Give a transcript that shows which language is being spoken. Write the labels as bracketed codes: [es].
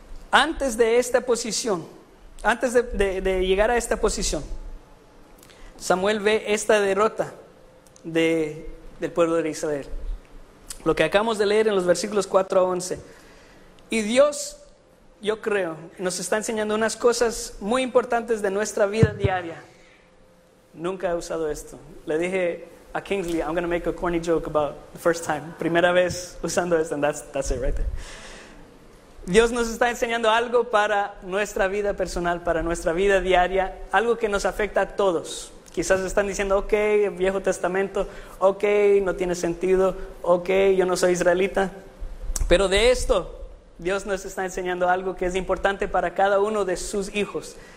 [es] Antes de esta posición, antes de llegar a esta posición, Samuel ve esta derrota del pueblo de Israel. Lo que acabamos de leer en los versículos 4 a 11. Y Dios, yo creo, nos está enseñando unas cosas muy importantes de nuestra vida diaria. Nunca he usado esto. Le dije a Kingsley, [en] I'm going to make a corny joke about the first time. [es] Primera vez usando esto, [en] and that's it right there. [es] Dios nos está enseñando algo para nuestra vida personal, para nuestra vida diaria, algo que nos afecta a todos. Quizás están diciendo, ok, Viejo Testamento, ok, no tiene sentido, ok, yo no soy israelita. Pero de esto, Dios nos está enseñando algo que es importante para cada uno de sus hijos.